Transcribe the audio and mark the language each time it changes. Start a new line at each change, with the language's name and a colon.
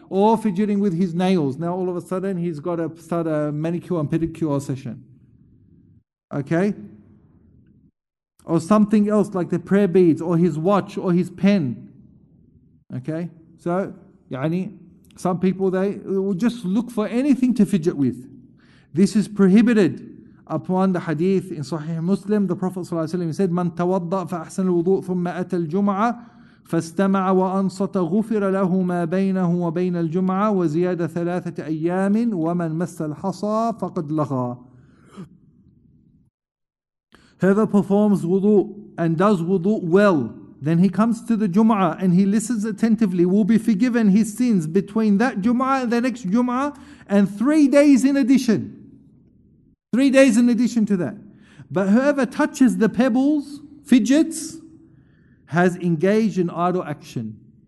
English: Or fidgeting with his nails. Now all of a sudden he's got to start a manicure and pedicure session. Okay? Or something else like the prayer beads, or his watch, or his pen. Okay? So, يعني, some people, they will just look for anything to fidget with. This is prohibited. Upon the hadith in Sahih Muslim, the Prophet ﷺ said,
Arabic: مَنْ تَوَضَّأْ فَأَحْسَنَ الْوُضُوءِ ثُمَّ أَتَى الْجُمْعَةِ فَاسْتَمَعَ وَأَنْصَتَ غُفِرَ لَهُ مَا بَيْنَهُ وَبَيْنَ الْجُمْعَةِ وَزِيَادَ ثَلَاثَةِ أَيَّامٍ وَمَنْ مَسَّ الْحَصَى فَقَدْ لَغَى.
English: Whoever performs wudu and does wudu well, then he comes to the Jum'ah and he listens attentively, will be forgiven his sins between that Jum'ah and the next Jum'ah, and 3 days in addition. 3 days in addition to that. But whoever touches the pebbles, fidgets, has engaged in idle action.